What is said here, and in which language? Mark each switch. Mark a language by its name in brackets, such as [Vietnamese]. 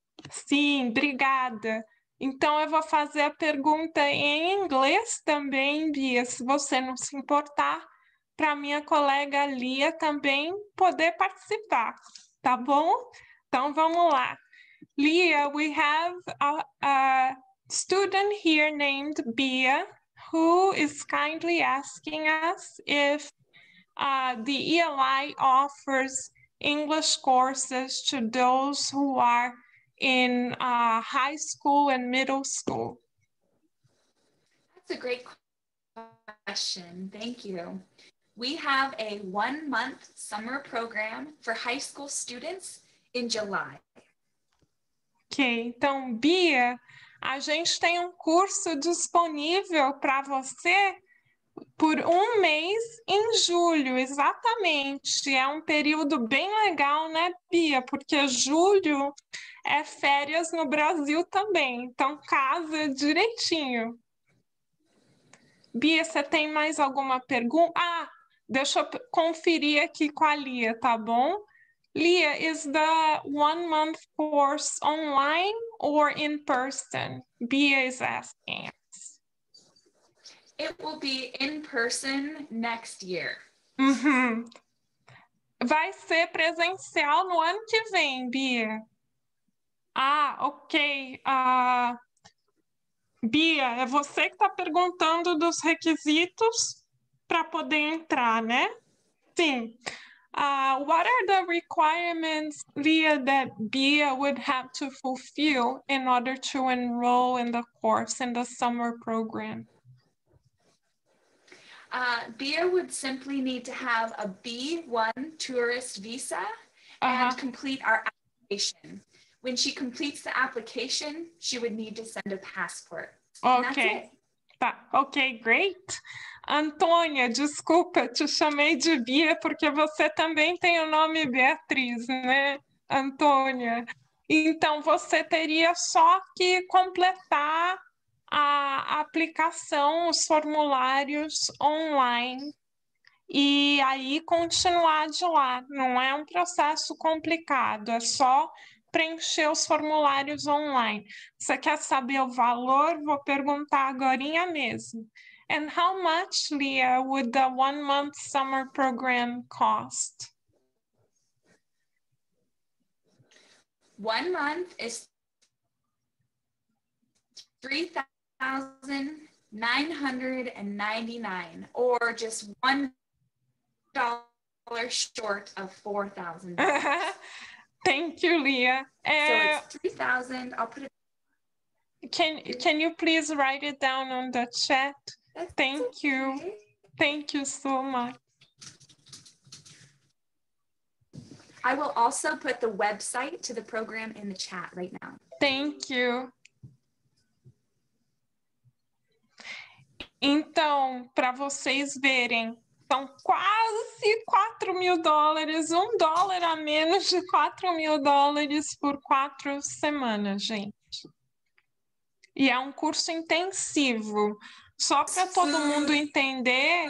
[Portuguese] Sim, obrigada. Então, eu vou fazer a pergunta em inglês também, Bia, se você não se importar, para minha colega Lia também poder participar, tá bom? Então, vamos lá. [English] Lia, we have a student here named Bia, who is kindly asking us if the ELI offers English courses to those who are in high school and middle school. That's a great question. Thank you. We have a one-month summer program for high school students in July. [Portuguese] Ok, então, Bia, a gente tem um curso disponível para você por um mês em julho, exatamente. É um período bem legal, né, Bia? Porque julho é férias no Brasil também, então casa direitinho. Bia, você tem mais alguma pergunta? Ah, deixa eu conferir aqui com a Lia, tá bom? [English] Lia, is the one-month course online or in person? Bia is asking. It will be in person next year. [Portuguese] Vai ser presencial no ano que vem, Bia. Ah, ok. Bia, é você que está perguntando dos requisitos para poder entrar, né? Sim. [English] What are the requirements, Lia, that Bia would have to fulfill in order to enroll in the course in the summer program? Bia would simply need to have a B1 tourist visa and complete our application. When she completes the application, she would need to send a passport. And that's Ok, it. tá. Ok, great. [Portuguese] Antônia, desculpa, te chamei de Bia porque você também tem o nome Beatriz, né, Antônia? Então, você teria só que completar a aplicação, os formulários online e aí continuar de lá. Não é um processo complicado, é só preencher os formulários online. Você quer saber o valor? Vou perguntar agorinha mesmo. [English] And how much, Leah, would the one-month summer program cost? 1 month is $3,999, or just $1 short of $4,000. Thank you, Leah. So it's 3,000. I'll put it. Can you please write it down on the chat? Thank you. Thank you so much. I will also put the website to the program in the chat right now. Thank you. [Portuguese] Então, para vocês verem, são quase 4 mil dólares, 1 dólar a menos de 4 mil dólares por 4 semanas, gente. E é um curso intensivo. Só para todo mundo entender,